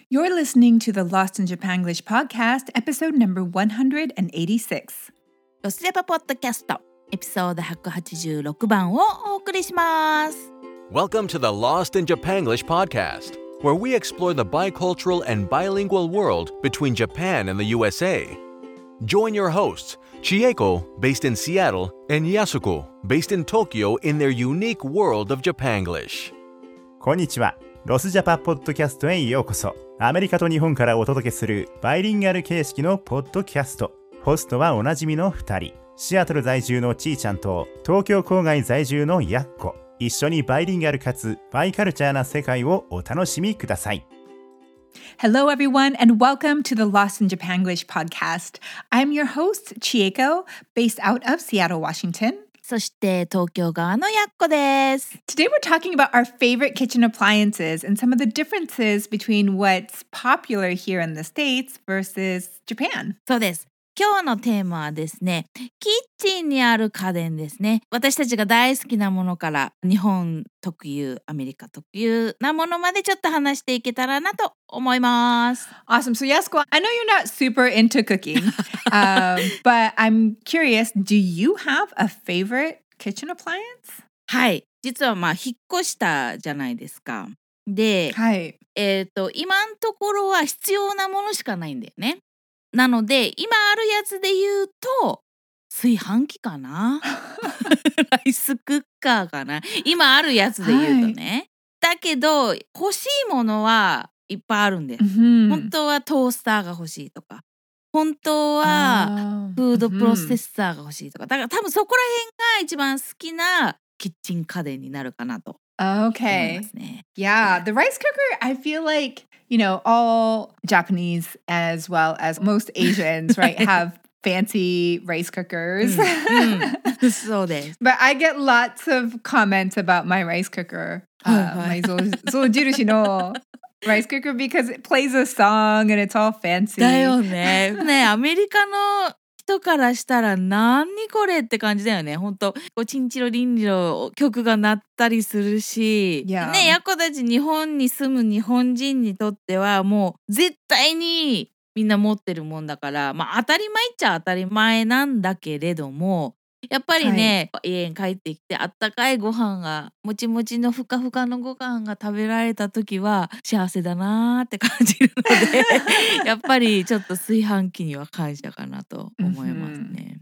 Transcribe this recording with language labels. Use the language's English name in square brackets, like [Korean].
[English] You're listening to the Lost in Japanglish podcast, episode number 186. [Japanese] ロスレパポッドキャスト、エピソード186番をお送りします。 [English] Welcome to the Lost in Japanglish podcast, where we explore the bicultural and bilingual world between Japan and the USA. Join your hosts, Chieko, based in Seattle, and Yasuko, based in Tokyo, in their unique world of Japanglish. [Japanese] こんにちは。ロスジャパポッドキャストへようこそ。アメリカと日本からお届けするバイリンガル形式のポッドキャスト。ホストはおなじみの2人、シアトル在住のちーちゃんと東京郊外在住のやっこ。一緒にバイリンガルかつバイカルチャーな世界をお楽しみください。 [English] Hello everyone and welcome to the Lost in Japanglish podcast. I'm your host, Chieko, based out of Seattle, Washington. [Japanese] そして東京側のやっこです。 [English] Today we're talking about our favorite kitchen appliances and some of the differences between what's popular here in the States versus Japan. [Japanese] そうです。今日のテーマはですね、キッチンにある家電ですね。私たちが大好きなものから日本特有、アメリカ特有なものまでちょっと話していけたらなと思います。 [English] Awesome. So Yasuko, I know you're not super into cooking, but I'm curious, do you have a favorite kitchen appliance? [Japanese] はい。実はまあ引っ越したじゃないですか。で、はい。今んところは必要なものしかないんだよね。なので今あるやつで言うと炊飯器かなライスクッカーかな今あるやつで言うとね、はい、だけど欲しいものはいっぱいあるんです、うん、本当はトースターが欲しいとか本当はフードプロセッサーが欲しいとかだから多分そこら辺が一番好きなキッチン家電になるかなと [English] Okay. Yeah, the rice cooker, I feel like, you know, all Japanese as well as most Asians, right, have fancy rice cookers. So then. But I get lots of comments about my rice cooker, my Zojirushi no rice cooker, because it plays a song and it's all fancy. [Japanese] だよね。ね、アメリカの人からしたら何これって感じだよね。本当、チンチロリンリロ曲が鳴ったりするし、 [English] yeah. [Japanese] ね、やこたち日本に住む日本人にとってはもう絶対にみんな持ってるもんだから、まあ当たり前っちゃ当たり前なんだけれども、やっぱりね、はい、家に帰ってきてあったかいご飯がもちもちのふかふかのご飯が食べられた時は幸せだなって感じるのでやっぱりちょっと炊飯器には感謝かなと思いますね、